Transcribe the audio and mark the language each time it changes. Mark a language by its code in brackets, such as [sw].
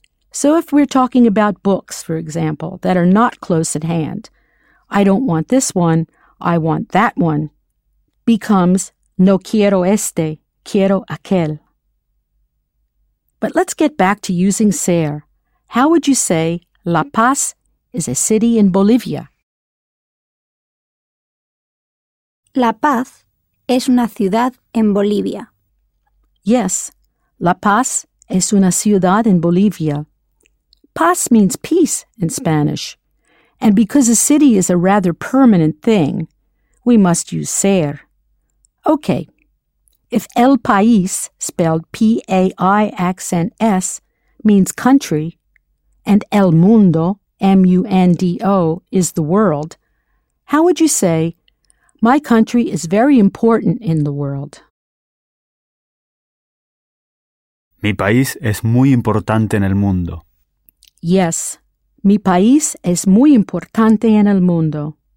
[en] So if we're talking about books, for example, that are not close at hand, I don't want this one, I want that one, becomes [es] no quiero este, quiero aquel. [en] But let's get back to using ser. How would you say La Paz is a city in Bolivia? [es] La Paz es una ciudad en Bolivia. [en] Yes, [es] La Paz es una ciudad en Bolivia. [en] Paz means peace in Spanish. And because a city is a rather permanent thing, we must use ser. Okay, if el país, spelled P-A-I accent S, means country, and el mundo, M-U-N-D-O, is the world, how would you say, my country is very important in the world? [es] Mi país es muy importante en el mundo. [en] Yes, [es] mi país es muy importante en el mundo.